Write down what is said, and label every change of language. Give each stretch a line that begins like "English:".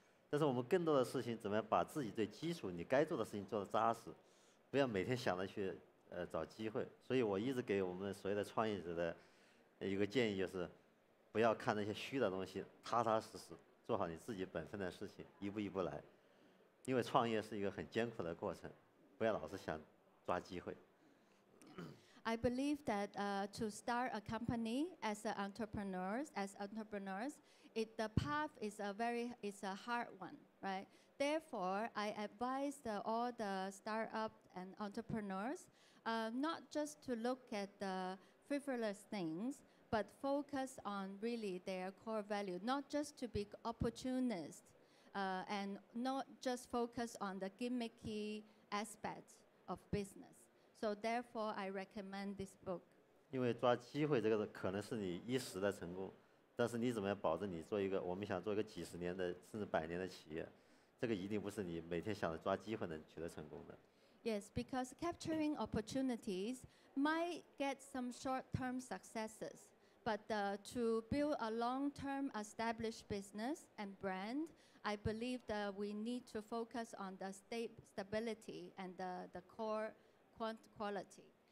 Chinese: 但是我们更多的事情，怎么样把自己最基础、你该做的事情做得扎实，不要每天想着去找机会。所以我一直给我们所有的创业者的一个建议就是，不要看那些虚的东西，踏踏实实做好你自己本分的事情，一步一步来。因为创业是一个很艰苦的过程。不要老是想抓机会。
English: I believe that to start a company as entrepreneurs, the path is a hard one, right? Therefore, I advise all the startup and entrepreneurs not just to look at the frivolous things, but focus on really their core value, not just to be opportunist, and not just focus on the gimmicky. Aspect of business, so therefore I recommend this book.
Chinese: 因为抓机会这个可能是你一时的成功，但是你怎么样保证你做一个我们想做一个几十年的甚至百年的企业，这个一定不是你每天想着抓机会能取得成功的。
English: Yes, because capturing opportunities might get some short-term successes, but to build a long-term established business and brand. I believe that we need to focus on the stability and the core quality.